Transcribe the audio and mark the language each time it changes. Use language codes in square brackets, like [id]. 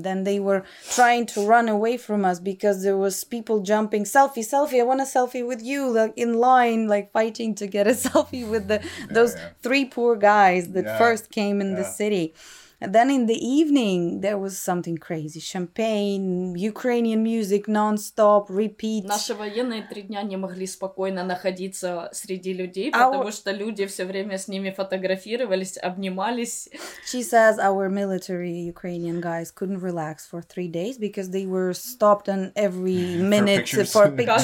[en] Then they were trying to run away from us because there was people jumping, selfie, selfie, I want a selfie with you, like in line, like fighting to get a selfie with three poor guys that first came in the city. And then in the evening, there was something crazy. Champagne, Ukrainian music, non-stop, repeat. [uk] Наші воєнні три дня не могли спокійно знаходитися серед людей, тому що люди все время з ними фотографувались, обнімались. [en] She says our military Ukrainian guys couldn't relax for 3 days because they were stopped on every minute for pictures.